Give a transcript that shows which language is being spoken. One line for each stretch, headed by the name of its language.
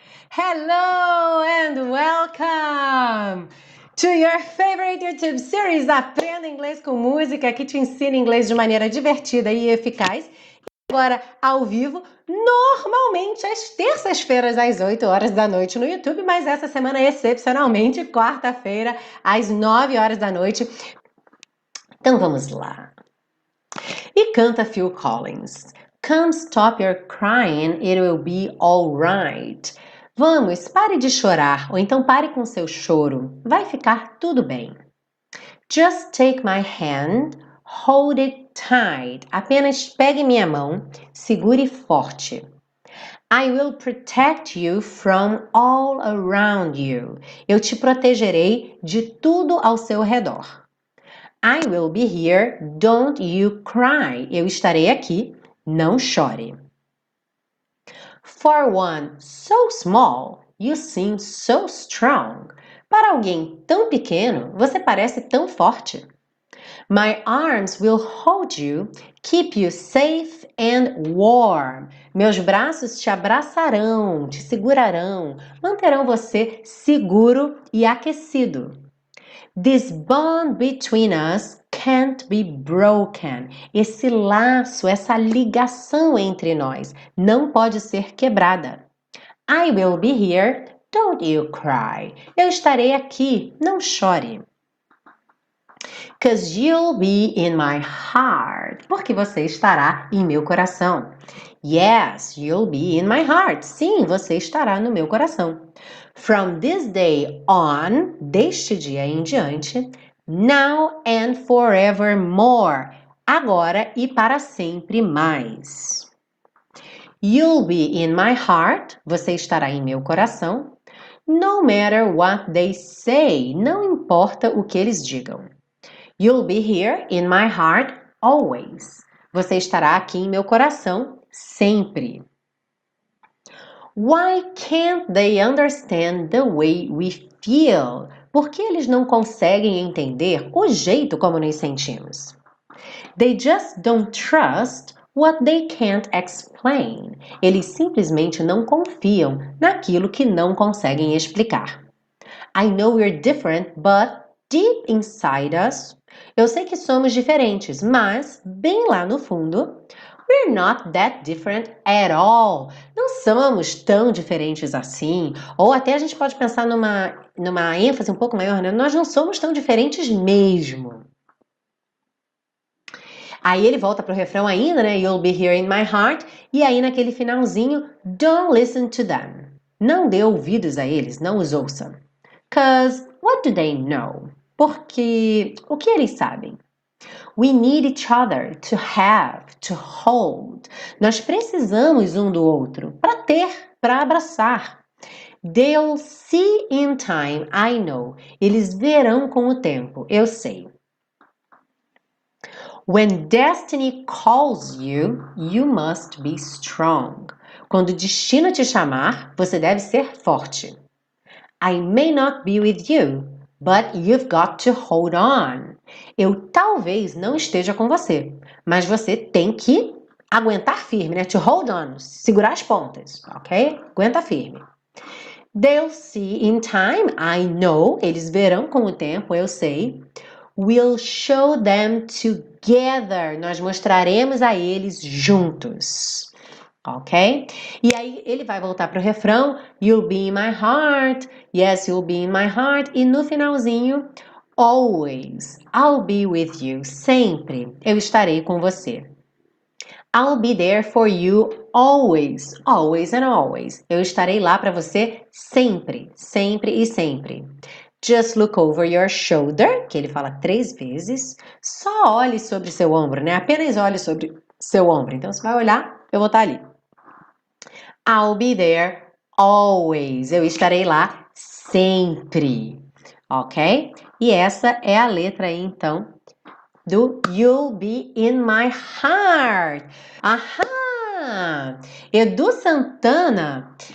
English: Hello and welcome to your favorite YouTube series
Portuguese: Aprenda Inglês com Música, que te ensina inglês de maneira divertida e eficaz. Agora, ao vivo, normalmente às terças-feiras, às 8 horas da noite no YouTube, mas essa semana, excepcionalmente, quarta-feira, às 9 horas da noite. Então, vamos lá. E canta Phil Collins.
English: Come stop your crying, it will be alright.
Portuguese: Vamos, pare de chorar, ou então pare com seu choro. Vai ficar tudo bem.
English: Just take my hand, hold it tight.
Portuguese: Apenas pegue minha mão, segure forte.
English: I will protect you from all around you.
Portuguese: Eu te protegerei de tudo ao seu redor.
English: I will be here, don't you cry.
Portuguese: Eu estarei aqui, não chore.
English: For one so small, you seem so strong.
Portuguese: Para alguém tão pequeno, você parece tão forte.
English: My arms will hold you, keep you safe and warm.
Portuguese: Meus braços te abraçarão, te segurarão, manterão você seguro e aquecido.
English: This bond between us can't be broken.
Portuguese: Esse laço, essa ligação entre nós, não pode ser quebrada.
English: I will be here, don't you cry.
Portuguese: Eu estarei aqui, não chore.
English: 'Cause you'll be in my heart.
Portuguese: Porque você estará em meu coração.
English: Yes, you'll be in my heart.
Portuguese: Sim, você estará no meu coração.
English: From this day on,
Portuguese: deste dia em diante,
English: now and forevermore,
Portuguese: agora e para sempre mais.
English: You'll be in my heart,
Portuguese: você estará em meu coração,
English: no matter what they say,
Portuguese: não importa o que eles digam.
English: You'll be here in my heart always,
Portuguese: você estará aqui em meu coração sempre.
English: Why can't they understand the way we feel?
Portuguese: Por que eles não conseguem entender o jeito como nos sentimos?
English: They just don't trust what they can't explain.
Portuguese: Eles simplesmente não confiam naquilo que não conseguem explicar.
English: I know we're different, but deep inside us,
Portuguese: eu sei que somos diferentes, mas bem lá no fundo,
English: we're not that different at all.
Portuguese: Não somos tão diferentes assim. Ou até a gente pode pensar numa ênfase um pouco maior, né? Nós não somos tão diferentes mesmo. Aí ele volta pro refrão ainda, né?
English: You'll be here in my heart.
Portuguese: E aí naquele finalzinho,
English: don't listen to them.
Portuguese: Não dê ouvidos a eles, não os ouça.
English: 'Cause what do they know?
Portuguese: Porque o que eles sabem?
English: We need each other to have, to hold.
Portuguese: Nós precisamos um do outro para ter, para abraçar.
English: They'll see in time, I know.
Portuguese: Eles verão com o tempo, eu sei.
English: When destiny calls you, you must be strong.
Portuguese: Quando o destino te chamar, você deve ser forte.
English: I may not be with you, but you've got to hold on.
Portuguese: Eu talvez não esteja com você, mas você tem que aguentar firme, né?
English: To hold on,
Portuguese: segurar as pontas, ok? Aguenta firme.
English: They'll see in time, I know.
Portuguese: Eles verão com o tempo, eu sei.
English: We'll show them together.
Portuguese: Nós mostraremos a eles juntos. Ok? E aí ele vai voltar pro refrão.
English: You'll be in my heart. Yes, you'll be in my heart.
Portuguese: E no finalzinho,
English: always. I'll be with you.
Portuguese: Sempre. Eu estarei com você.
English: I'll be there for you always. Always and always.
Portuguese: Eu estarei lá para você sempre. Sempre e sempre.
English: Just look over your shoulder.
Portuguese: Que ele fala três vezes. Só olhe sobre seu ombro, né? Apenas olhe sobre seu ombro. Então você vai olhar, eu vou estar ali.
English: I'll be there always.
Portuguese: Eu estarei lá sempre. Ok? E essa é a letra aí, então, do You'll Be In My Heart. Aham! Edu Santana